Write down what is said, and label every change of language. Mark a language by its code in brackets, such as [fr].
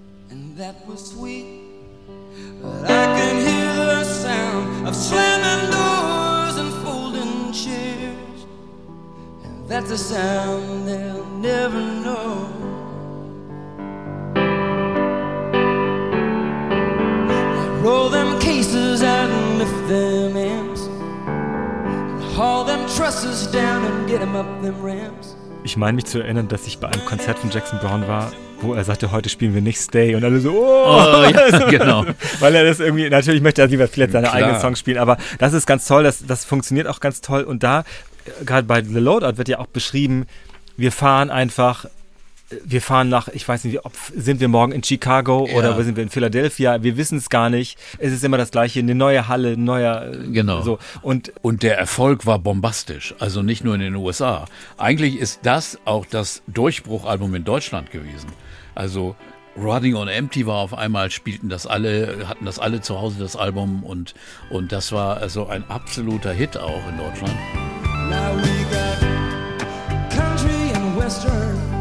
[en] And that was sweet. But I can hear of slamming doors and folding chairs, and that's a sound they'll never know. Roll them cases out and lift them amps, and haul them trusses down and get them up them ramps. [de] Ich meine mich zu erinnern, dass ich bei einem Konzert von Jackson Browne war, wo er sagte, heute spielen wir nicht Stay, und alle so, genau. Weil er das irgendwie, natürlich möchte er lieber vielleicht seine eigenen Songs spielen, aber das ist ganz toll, das funktioniert auch ganz toll, und da, gerade bei The Loadout wird ja auch beschrieben, wir fahren nach, ich weiß nicht, sind wir morgen in Chicago oder sind wir in Philadelphia, wir wissen es gar nicht, es ist immer das Gleiche, eine neue Halle, so. Und der Erfolg war bombastisch, also nicht nur in den USA. Eigentlich ist das auch das Durchbruchalbum in Deutschland gewesen. Also Running on Empty war auf einmal, hatten das alle zu Hause, das Album, und das war also ein absoluter Hit auch in Deutschland. [en] Now we got country and western.